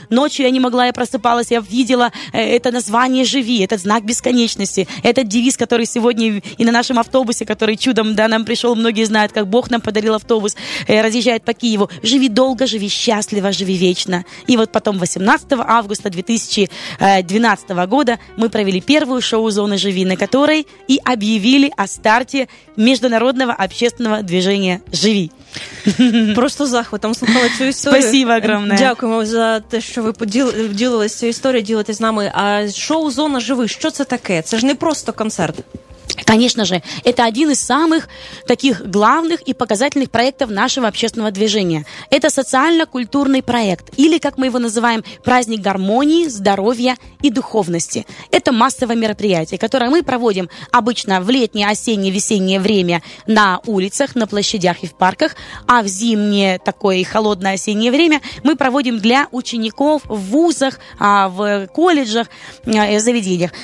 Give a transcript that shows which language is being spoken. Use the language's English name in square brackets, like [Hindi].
[Russian] Ночью я не могла, я просыпалась, я видела это название «Живи», этот знак бесконечности, этот девиз, который сегодня и на нашем автобусе, который чудом, да, нам пришел, многие знают, как Бог нам подарил автобус, разъезжает по Киеву. «Живи долго, живи счастливо, живи вечно». И вот потом 18 августа 2012 года мы провели первую шоу «Зоны Живи», на которой и объявили о старте международного общественного движения «Живи». [Ukrainian] Просто захватом слухала цю історію. [Russian] Спасибо огромное. [Ukrainian] Дякуємо за те, що ви поділилися цією історією, ділитесь з нами. А шоу «Зона Живи», що це таке? Це ж не просто концерт. [Russian] Конечно же, это один из самых таких главных и показательных проектов нашего общественного движения. Это социально-культурный проект, или, как мы его называем, праздник гармонии, здоровья и духовности. Это массовое мероприятие, которое мы проводим обычно в летнее, осеннее, весеннее время на улицах, на площадях и в парках, а в зимнее такое холодное осеннее время мы проводим для учеников в вузах, в колледжах, в заведениях.